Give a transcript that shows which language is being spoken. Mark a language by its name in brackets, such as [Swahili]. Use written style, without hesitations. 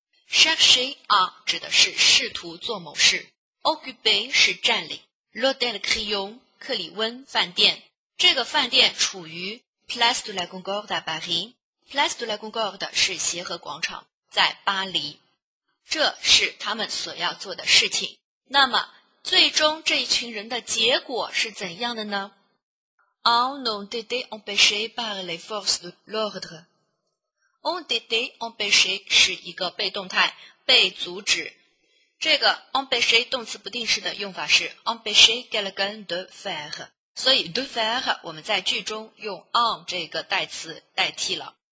[French] Chercher à [Chinese] 指的是试图做某事， Occuper 是占领， L'hôtel Crillon 克里温饭店，这个饭店处于 Place de la Concorde à Paris。 Place de la Concorde 是协和广场，在巴黎，这是他们所要做的事情。那么最终这一群人的结果是怎样的呢？ [French] En ont été empêchés par les forces de l'ordre. Ont été empêchés [Chinese] 是一个被动态，被阻止。这个 empêcher 动词不定式的用法是 [French] empêcher quelqu'un de faire. [Chinese] 所以 [French] de faire [Chinese] 我们在句中用 on 这个代词代替了。